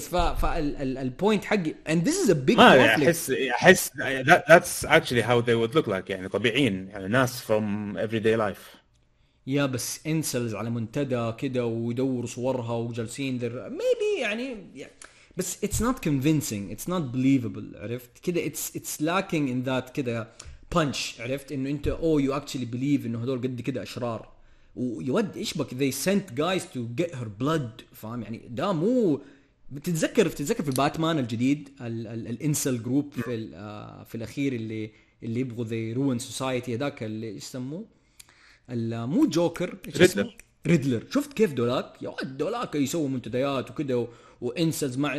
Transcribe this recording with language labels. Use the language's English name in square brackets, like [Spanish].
[English] فال point حقي and this is a big conflict. أحس that's actually how they would look like، [Arabic] يعني طبيعيين يعني ناس [English] from everyday life. [Arabic] يا بس incels على منتدى كده ويدور صورها وجلسين ذر maybe يعني بس [English] it's not convincing it's not believable [Arabic] عرفت كده [English] it's lacking in that [Arabic] كده punch عرفت إنه أنت [English] oh you actually believe [Arabic] إنه هدول قد كده أشرار. [English] ويود إيش بك they sent guys to get her blood [Arabic] فاهم يعني. دا مو بتتذكر في باتمان الجديد ال incel group في الأخير اللي يبغوا [English] they ruin society، [Arabic] هذاك اللي يسموه ال مو جوكر ريدلر. شفت كيف دولاك يا ود دولاك يسوي منتديات وكده و incels مع